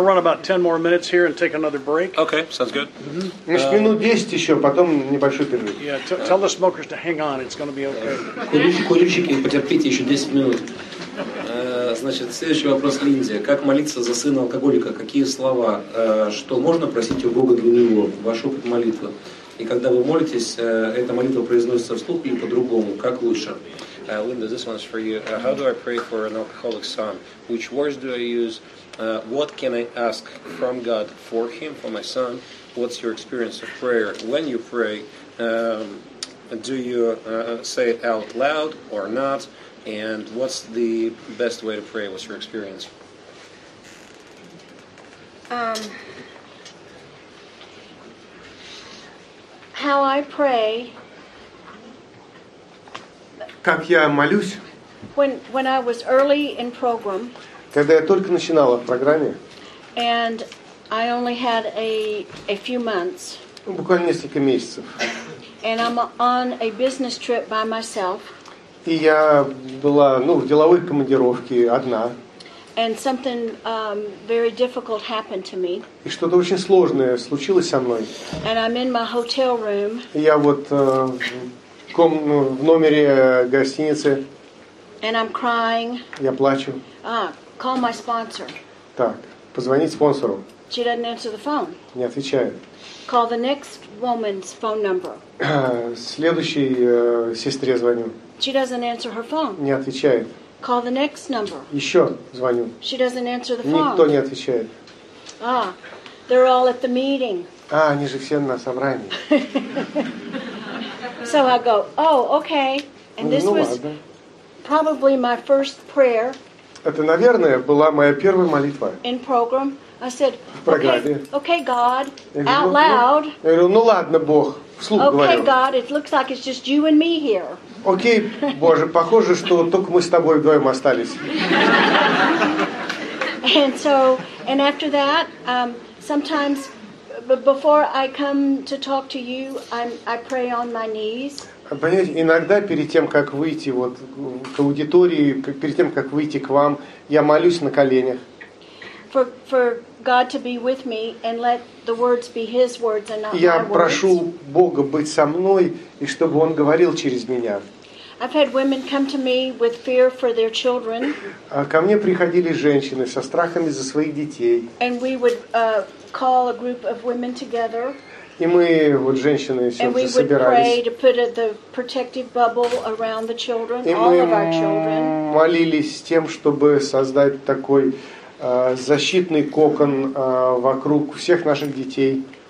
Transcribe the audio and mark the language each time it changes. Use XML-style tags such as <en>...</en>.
<en>run about 10 more minutes here and take another break. Okay, sounds good. Mm-hmm.</en> <ru>Минут 10 еще, потом небольшой перерыв.</ru> <en>Yeah, tell the smokers to hang on. It's going to be okay.</en> <ru>Курильщики, потерпите еще 10 минут. Значит, следующий вопрос Линде. Как молиться за сына алкоголика? Какие слова? Что можно просить у Бога для него? Ваш опыт молитвы. И когда вы молитесь, эта молитва произносится вслух или по-другому? Как лучше?</ru> <en>Linda, this one's for you. How do I pray for an alcoholic son? Which words do I use? What can I ask from God for him, for my son? What's your experience of prayer? When you pray, do you say it out loud or not? And what's the best way to pray? What's your experience? How I pray...</en> <ru>Как я молюсь?</ru> <en>When I was early in program,</en> <ru>когда я только начинала в программе,</ru> <en>and I only had a few months,</en> <ru>буквально несколько месяцев,</ru> <en>and I'm on a business trip by myself,</en> <ru>и я была в деловой командировке одна,</ru> <en>and something very difficult happened to me,</en> <ru>и что-то очень сложное случилось со мной,</ru> <en>and I'm in my hotel room,</en> <ru>и я вот в номере гостиницы.</ru> <en>And I'm crying.</en> <ru>Я плачу.</ru> <en>Call my sponsor.</en> <ru>Так, позвонить спонсору.</ru> <en>She doesn't answer the phone.</en> <ru>Не отвечает.</ru> <en>Call the next woman's phone number.</en> <ru>Следующей сестре звоню.</ru> <en>She doesn't answer her phone.</en> <ru>Не отвечает.</ru> <en>Call the next number.</en> <ru>Еще звоню.</ru> <en>She doesn't answer the phone.</en> <ru>Никто не отвечает.</ru> <en>They're all at the meeting.</en> <ru>Они же все на собрании.</ru> <en>So I go, okay. And this was probably my first prayer.</en> <ru>Это, наверное, была моя первая молитва.</ru> <en>In program, I said, okay, God,</en> <ru>говорю,</ru> <en>out loud.</en> <ru>Я говорю, ладно, Бог, вслух</ru> <en>okay,</en> <ru>говорю.</ru> <en>Okay, God, it looks like it's just you and me here.</en> <ru>Окей, Боже, похоже, что только мы с тобой вдвоем остались.</ru> <en>And so, and after that, sometimes. But before I come to talk to you, I pray on my knees.</en> <ru>Понимаете, иногда перед тем, как выйти к аудитории, перед тем, как выйти к вам, я молюсь на коленях.</ru> <en>For God to be with me and let the words be His words and not my words.</en> <ru>Я прошу Бога быть со мной и чтобы Он говорил через меня.</ru> <en>I've had women come to me with fear for their children.</en> <ru>Ко мне приходили женщины со страхами за своих детей.</ru> <en>And we would call a group of women together.</en> <ru>И мы вот женщины все собирались.</ru> <en>And we would pray to put the protective bubble around the children, all of our children.</en> <ru>И мы молились тем, чтобы создать такой защитный кокон вокруг всех наших детей.</ru>